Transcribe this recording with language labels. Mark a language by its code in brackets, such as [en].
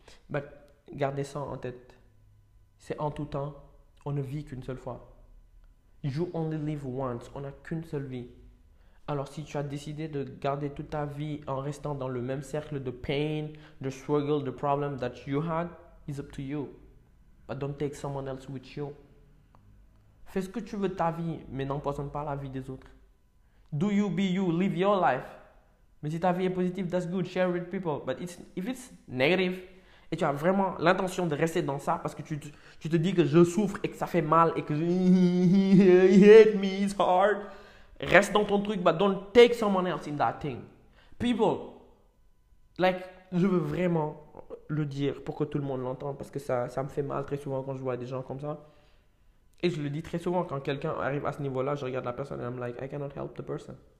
[fr] Mais gardez ça en tête. C'est en tout temps, on ne vit qu'une seule fois. [en] You only live once, [fr] on n'a qu'une seule vie. Alors si tu as décidé de garder toute ta vie en restant dans le même cercle de pain, de struggle, de problème [en] that you had, it's up to you. But don't take someone else with you. [fr] Fais ce que tu veux de ta vie, mais n'empoisonne pas la vie des autres. [en] Do you be you, live your life. [fr] Mais si ta vie est positive, [en] that's good, share it with people. But if it's negative, [fr] et tu as vraiment l'intention de rester dans ça parce que tu te dis que je souffre et que ça fait mal et que je... [en] hit me, it's hard. [fr] Reste dans ton truc, [en] but don't take someone else in that thing. [fr] People, like, je veux vraiment le dire pour que tout le monde l'entende parce que ça me fait mal très souvent quand je vois des gens comme ça. Et je le dis très souvent, quand quelqu'un arrive à ce niveau-là, je regarde la personne et [en] I'm like, I cannot help the person.